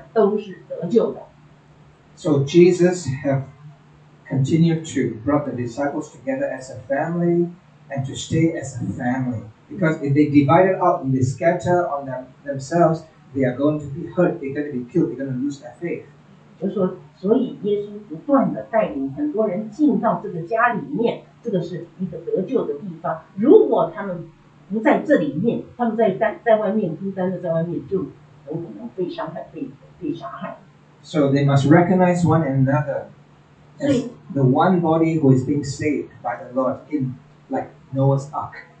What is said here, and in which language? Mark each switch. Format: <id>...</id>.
<zh>就是说，已经在这个监护台里面，你已经有一些人，你再进来，你也跟他们一样，都是得救的。</zh> <en>So Jesus have continued to brought the disciples together as a family and to stay as a family, because if they divided up and they scatter on themselves, they are going to be hurt. They're going to be killed. They're going to lose their faith.</en> <zh>就是说，所以耶稣不断的带领很多人进到这个家里面，这个是一个得救的地方。如果他们不在这里面，他们在外面孤单的在外面，就很可能被伤害、被杀害。</zh> <en>So they must recognize one another as the one body who is being saved by the Lord in like Noah's Ark.</en>